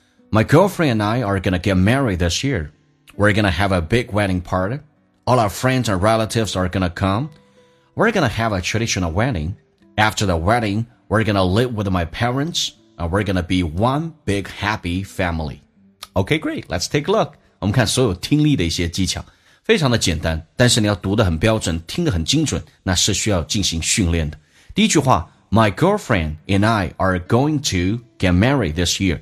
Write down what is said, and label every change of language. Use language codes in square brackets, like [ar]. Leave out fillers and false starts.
[en] My girlfriend and I are gonna get married this year. We're gonna have a big wedding party. All our friends and relatives are gonna come. We're gonna have a traditional wedding. After the wedding, we're gonna live with my parents, and we're gonna be one big happy family. Okay, great. Let's take a look. [zh] 我们看所有听力的一些技巧。非常的简单，但是你要读得很标准，听得很精准，那是需要进行训练的。第一句话 [en] My girlfriend and I are going to get married this year.